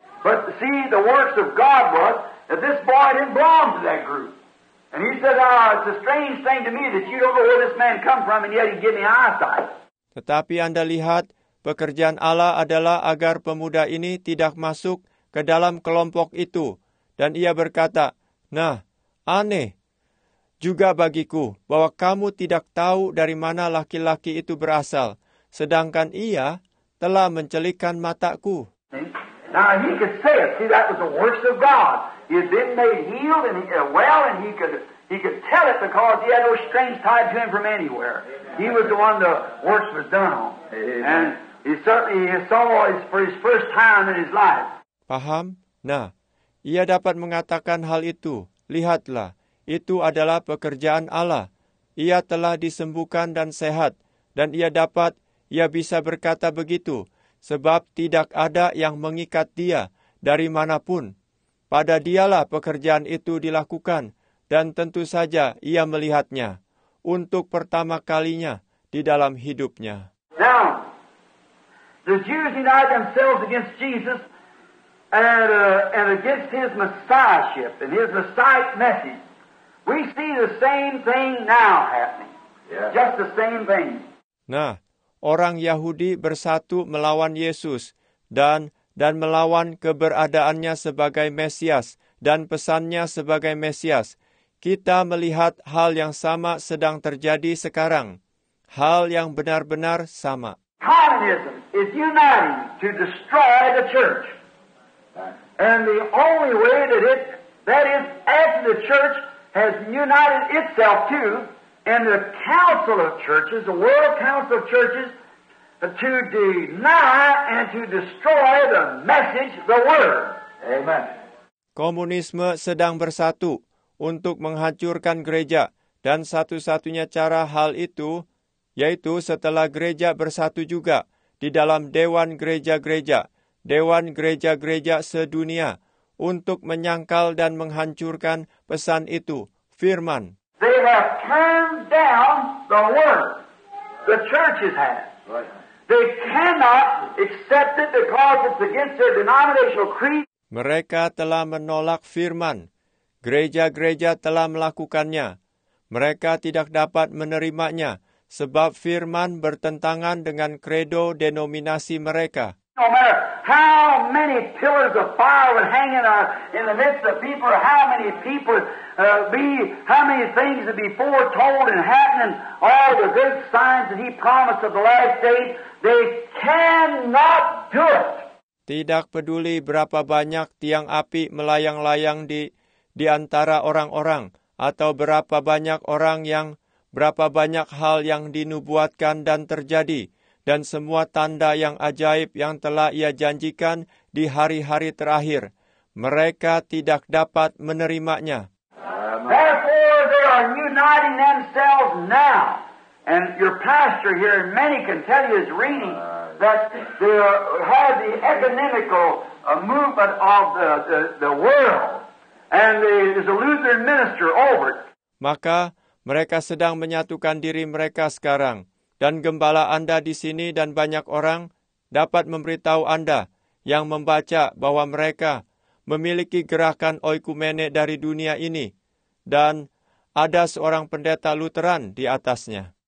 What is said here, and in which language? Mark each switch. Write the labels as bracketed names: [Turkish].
[English] But see, the works of God was that this boy didn't belong to that group. And he said, it's a strange thing to me that you don't know where this man come from and yet he give me eyesight. [Indonesian] Tetapi Anda lihat, pekerjaan Allah adalah agar pemuda ini tidak masuk ke dalam kelompok itu. Dan ia berkata, nah, aneh juga bagiku bahwa kamu tidak tahu dari mana laki-laki itu berasal, sedangkan ia telah mencelikkan mataku. [English] Now, he could say it. See, that was the works of God. He had been made healed and well, and he could tell it because he had no strings tied to him from anywhere. Amen. He was the one the works was done on. Amen. And he certainly saw it for his first time in his life. [Indonesian] Paham? Nah, ia dapat mengatakan hal itu. Lihatlah, itu adalah pekerjaan Allah. Ia telah disembuhkan dan sehat, dan ia bisa berkata begitu, sebab tidak ada yang mengikat dia dari manapun. Pada dialah pekerjaan itu dilakukan, dan tentu saja ia melihatnya untuk pertama kalinya di dalam hidupnya. [English] Now, the Jews united themselves against Jesus and against his messiahship and his messiah message. We see the same thing now happening. Yeah. Just the same thing. [Indonesian] Nah, orang Yahudi bersatu melawan Yesus dan melawan keberadaannya sebagai Mesias dan pesannya sebagai Mesias. Kita melihat hal yang sama sedang terjadi sekarang. Hal yang benar-benar sama. [English] Communism is uniting to destroy the church. And the only way that is after the church has united itself too, and the council of churches, the world council of churches, to deny and to destroy the message, the word. Amen. [Indonesian] Komunisme sedang bersatu untuk menghancurkan gereja, dan satu-satunya cara hal itu, yaitu setelah gereja bersatu juga di dalam Dewan Gereja-Gereja, Dewan Gereja-Gereja sedunia, untuk menyangkal dan menghancurkan pesan itu, firman. [English] They have turned down the word, the churches have. Right. They cannot accept it because it's against their denominational creed. [Indonesian] Mereka telah menolak firman. Gereja-gereja telah melakukannya. Mereka tidak dapat menerimanya sebab firman bertentangan dengan credo denominasi mereka. [English] No matter how many pillars of fire would hang in the midst of people, how many people how many things would be foretold and happening, all the good signs that he promised of the last days, they cannot do it. [Indonesian] Tidak peduli berapa banyak tiang api melayang-layang di antara orang-orang, atau berapa banyak orang yang, berapa banyak hal yang dinubuatkan dan terjadi, dan semua tanda yang ajaib yang telah ia janjikan di hari-hari terakhir, mereka tidak dapat menerimanya. [English] Therefore, they are uniting themselves now. And your pastor here, and many can tell you, is reading that they have the ecumenical movement of the world. And there's a Lutheran minister over it. [Indonesian] Maka mereka sedang menyatukan diri mereka sekarang. Dan gembala Anda di sini dan banyak orang dapat memberitahu Anda yang membaca bahwa mereka memiliki gerakan oikumene dari dunia ini. Dan ada seorang pendeta Lutheran di atasnya.